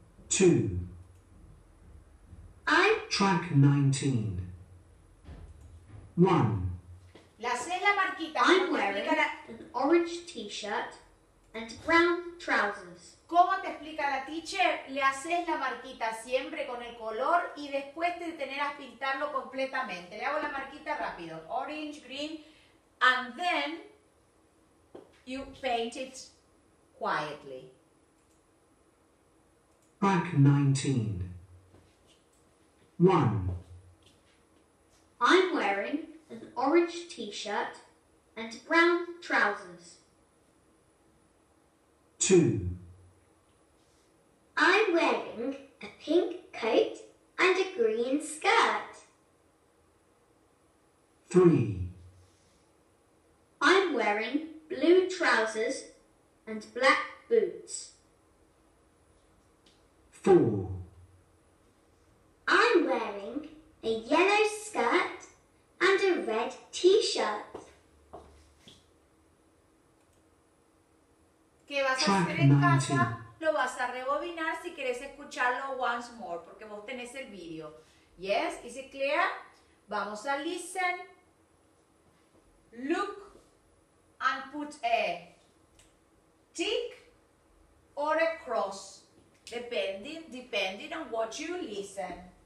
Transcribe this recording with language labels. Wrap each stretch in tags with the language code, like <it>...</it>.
<en>2. I'm... Track 19. 1.</en> <es>La C es la marquita.</es> <en>I'm wearing an orange t-shirt and brown trousers.</en> <es>¿Cómo te explica la teacher? Le haces la marquita siempre con el color y después te detenerás a pintarlo completamente. Le hago la marquita rápido.</es> <en>Orange, green, and then you paint it quietly. Track 19. 1. I'm wearing an orange t-shirt and brown trousers. 2. I'm wearing a pink coat and a green skirt. 3. I'm wearing blue trousers and black boots. 4. I'm wearing a yellow skirt and a red t-shirt.</en> <es>¿Qué vas a hacer en casa? Lo vas a rebobinar si quieres escucharlo</es> <en>once more,</en> <es>porque vos tenés el video.</es> <en>Yes, is it clear?</en> <es>Vamos a</es> <en>listen. Look and put a tick or a cross, depending on what you listen.</en>